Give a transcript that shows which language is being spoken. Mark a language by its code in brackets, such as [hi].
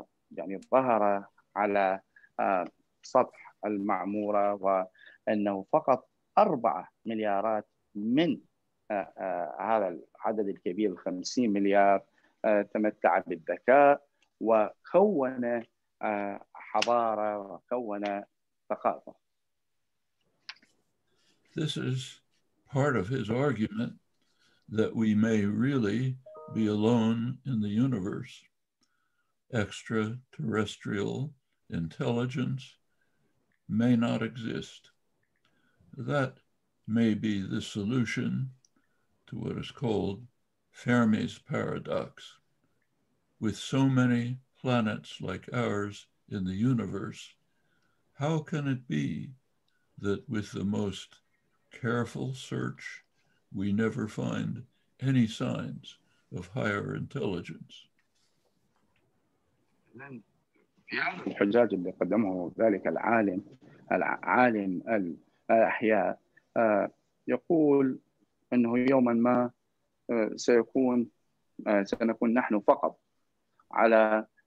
[ar] يعني ظهر على سطح المعمورة وأنه فقط 4 مليارات من هذا العدد الكبير 50 مليار تمتع بالذكاء وكون حضارة وكون ثقافة. [en] This is part of his argument that we may really be alone in the universe. Extraterrestrial intelligence may not exist. That may be the solution to what is called Fermi's paradox. With so many planets like ours in the universe, how can it be that with the most careful search, we never find any signs of higher intelligence? [ar] الحجاج اللي قدمه ذلك العالم العالم الأحياء يقول أنه يوما ما سيكون سنكون نحن فقط على